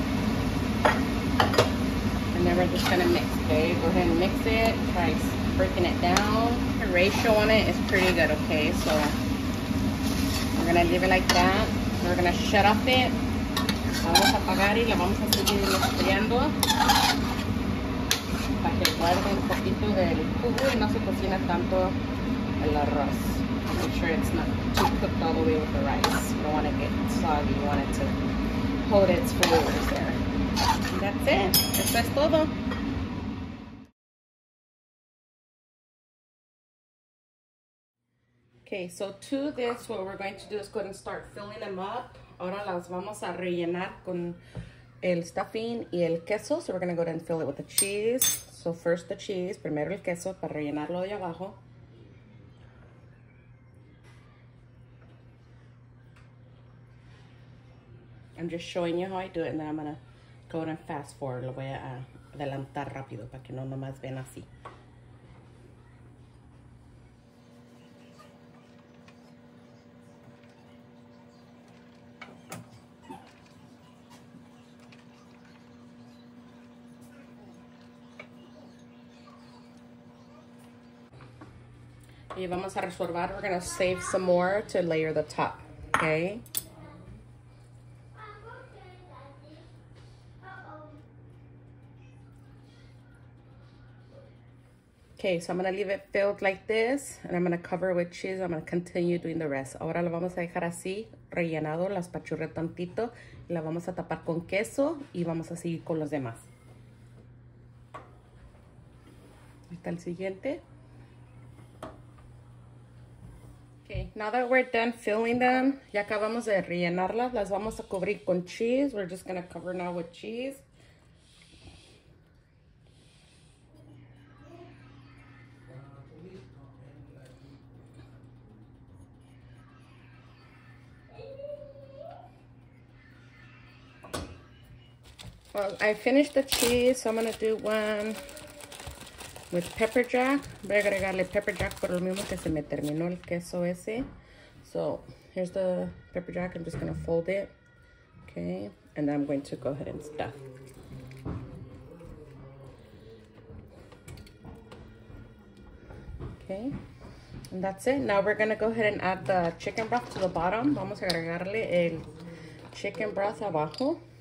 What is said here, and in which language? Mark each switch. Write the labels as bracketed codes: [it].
[en] And then we're just gonna mix, okay? Go ahead and mix it, try breaking it down. The ratio on it is pretty good, okay? So we're gonna leave it like that. We're gonna shut off it. [es] Vamos a apagar y la vamos a seguir enfriando para que guarde un poquito del jugo y no se cocine tanto el arroz. [en] Make sure it's not too cooked all the way with the rice. You don't want to get soggy, you want it to hold its flavors there. [es] That's it, eso es todo. [en] Okay, so to this, what we're going to do is go ahead and start filling them up. [es] Ahora las vamos a rellenar con el stuffing y el queso. [en] So we're going to go ahead and fill it with the cheese. So first the cheese, primero el queso para rellenarlo de abajo. I'm just showing you how I do it and then I'm going to go ahead and fast forward. [es] Lo voy a adelantar rápido para que no nomás vean así. [en] Y vamos a reservar, we're going to save some more to layer the top, okay? Okay, so I'm going to leave it filled like this, and I'm going to cover with cheese. I'm going to continue doing the rest. [es] Ahora lo vamos a dejar así, rellenado, las pachurré tantito. La vamos a tapar con queso y vamos a seguir con los demás. Ahí está el siguiente. Okay, now that we're done filling them, ya acabamos de rellenarlas, las vamos a cubrir con cheese. [en] We're just gonna cover now with cheese. Well, I finished the cheese, so I'm gonna do one with pepper jack. [es] Voy a agregarle pepper jack por lo mismo que se me terminó el queso ese. [en] So, here's the pepper jack. I'm just gonna fold it, okay? And then I'm going to go ahead and stuff. Okay, and that's it. Now we're gonna go ahead and add the chicken broth to the bottom. [es] Vamos a agregarle el chicken broth abajo.